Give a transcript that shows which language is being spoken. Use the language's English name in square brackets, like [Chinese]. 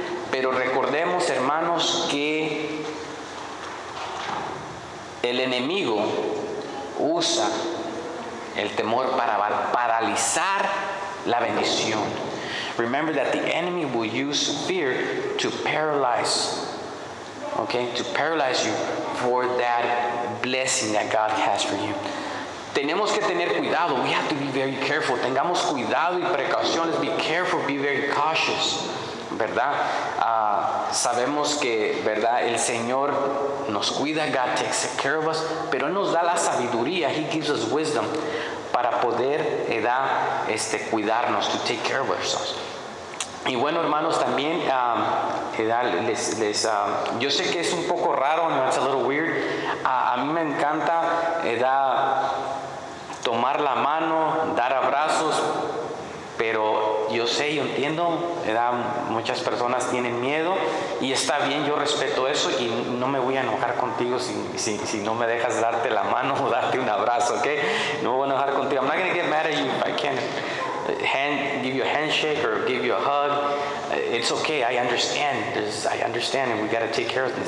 [Spanish] Pero recordemos, hermanos, que el enemigo usa el temor para paralizar la bendición. [English] Remember that the enemy will use fear to paralyze, okay, to paralyze you for that blessing that God has for you. [Spanish] Tenemos que tener cuidado. [English] We have to be very careful. [Spanish] Tengamos cuidado y precauciones. [English] Be careful, be very cautious. [Spanish] ¿Verdad? Sabemos que, ¿verdad? El Señor nos cuida. [English] God takes care of us. [Spanish] Pero Él nos da la sabiduría. [English] He gives us wisdom [Spanish] para poder, ¿verdad? Cuidarnos. [English] To take care of ourselves. [Spanish] Y bueno, hermanos, también, yo sé que es un poco raro. [English] No, it's a little weird. [Spanish] A mí me encanta, ¿verdad? Tomar la mano, dar abrazos. Pero yo sé, yo entiendo, ¿verdad? Muchas personas tienen miedo y está bien, yo respeto eso y no me voy a enojar contigo si no me dejas darte la mano o darte un abrazo, ¿ok? No me voy a enojar contigo. [English] I'm not going to get mad at you if I can't give you a handshake or give you a hug. It's okay, I understand, and we got to take care of this.